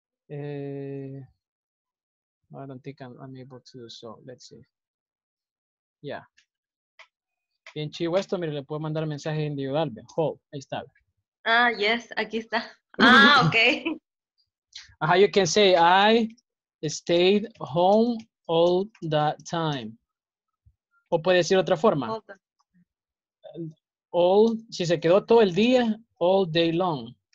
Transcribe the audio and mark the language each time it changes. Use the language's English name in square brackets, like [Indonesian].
[English] I don't think I'm able to do so. Let's see. Yeah. [Spanish] Bien chivo esto, mire, le puedo mandar mensaje individual. [English] Hold. [Spanish] Ahí está. Ah, yes, aquí está. Ah, okay. [English] How you can say I stayed home all the time. [Spanish] O puede decir otra forma. All, si se quedó todo el día, [English] all day long.